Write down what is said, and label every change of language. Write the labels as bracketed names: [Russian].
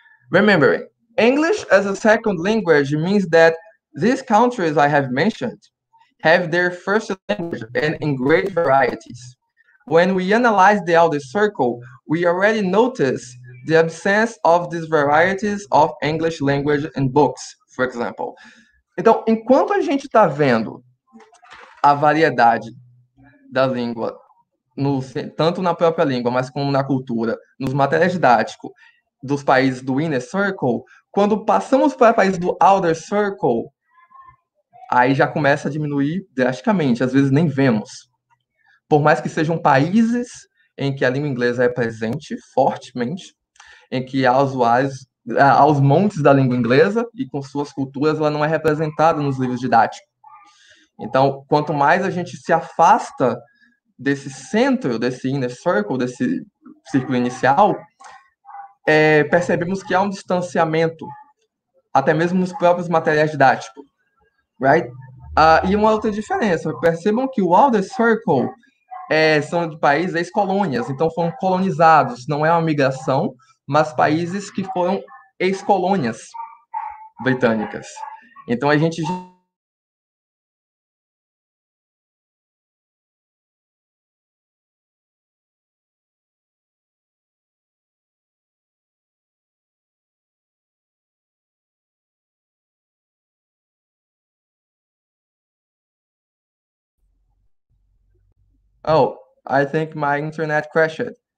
[English] Remember, English as a second language means that these countries I have mentioned have their first language and in great varieties. When we analyze the outer circle, we already notice the absence of these varieties of English language in books, for example. [Portuguese] Então, enquanto a gente está vendo a variedade da língua, tanto na própria língua, mas como na cultura, nos materiais didáticos dos países do inner circle, quando passamos para o país do outer circle, aí já começa a diminuir drasticamente, às vezes nem vemos. Por mais que sejam países em que a língua inglesa é presente fortemente, em que há aos montes da língua inglesa e com suas culturas, ela não é representada nos livros didáticos. Então, quanto mais a gente se afasta desse centro, desse inner circle, desse círculo inicial, percebemos que há um distanciamento, até mesmo nos próprios materiais didáticos, right? E uma outra diferença, percebam que o outer circle são de países ex-colônias, então foram colonizados, não é uma migração, mas países que foram ex-colônias britânicas. Então a gente [English] Oh, I think my internet crashed.